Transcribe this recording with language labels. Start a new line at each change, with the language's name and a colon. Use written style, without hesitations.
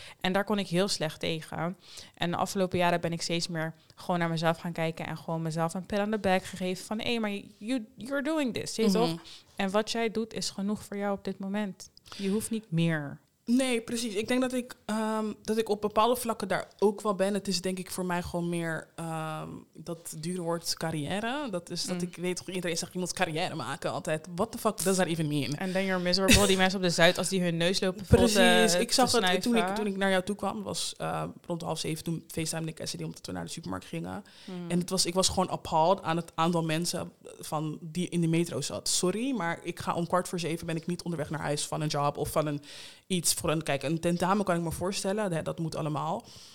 Dutch: En daar kon ik heel slecht tegen. En de afgelopen jaren ben ik steeds meer gewoon naar mezelf gaan kijken en gewoon mezelf een
English: pat on the back
Dutch: gegeven van, hey, maar
English: you're doing this,
Dutch: zie je toch? En wat jij doet is genoeg voor jou op dit moment. Je hoeft niet meer. Nee, precies. Ik denk dat ik op bepaalde vlakken daar ook wel ben. Het is denk ik voor mij gewoon meer dat dure woord carrière. Dat is dat ik weet, iedereen zegt, je moet carrière maken altijd.
English: What the fuck does that even mean? And then you're miserable.
Dutch: Die mensen op de Zuid als die hun neus lopen. Precies. Ik zag dat toen ik naar jou toe kwam. Was rond 6:30 toen FaceTime ik SD omdat we naar de supermarkt gingen. En ik was gewoon appalled aan het aantal mensen van die in de metro zat. Sorry, maar ik ga om 6:45 ben ik niet onderweg naar huis van een job of van een iets voor een, kijk, een tentamen kan ik me voorstellen, dat moet allemaal.